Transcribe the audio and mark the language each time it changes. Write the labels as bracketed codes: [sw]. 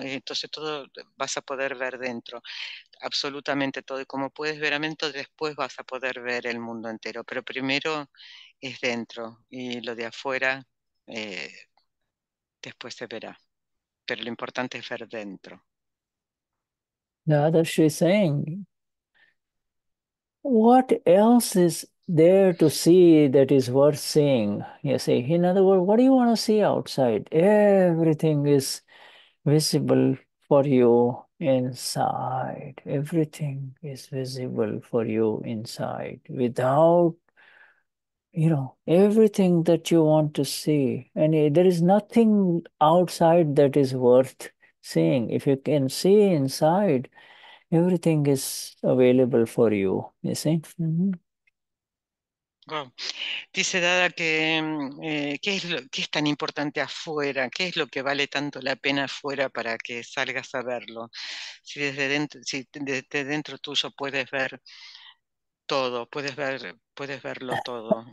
[es] Entonces todo vas a poder ver dentro, absolutamente todo. Y como puedes ver adentro, después vas a poder ver el mundo entero. Pero primero es dentro y lo de afuera después se verá. Pero lo importante es ver dentro. [en] Dadashri is saying, what else is there to see that is worth seeing? You see, in other words, what do you want to see outside? Everything is visible for you inside. Everything is visible for you inside. Without, you know, everything that you want to see. And there is nothing outside that is worth seeing. If you can see inside, everything is available for you, you see? Mm-hmm. Wow. [es] Dice Dada que ¿qué es lo que es tan importante afuera? ¿Qué es lo que vale tanto la pena afuera para que salgas a verlo? Si desde dentro, si desde dentro tuyo puedes ver todo, puedes verlo todo.